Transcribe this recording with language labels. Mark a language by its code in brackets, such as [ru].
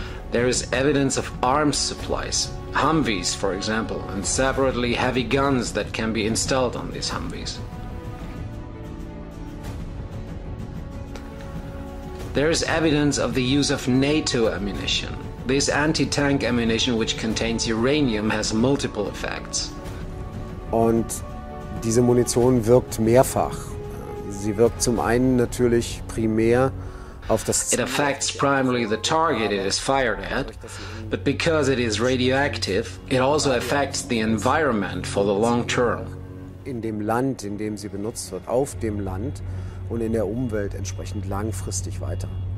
[en] There is evidence of arms supplies, Humvees for example, and separately heavy guns that can be installed on these Humvees. There is evidence of the use of NATO ammunition. This anti-tank ammunition, which contains uranium, has multiple effects. [de] Und diese Munition wirkt mehrfach. Sie wirkt zum einen natürlich primär auf das [en] It affects primarily the target it is fired at, but because it is radioactive, it also affects the environment for the long term. [de] In dem Land, in dem sie benutzt wird, auf dem Land und in der Umwelt entsprechend langfristig weiter.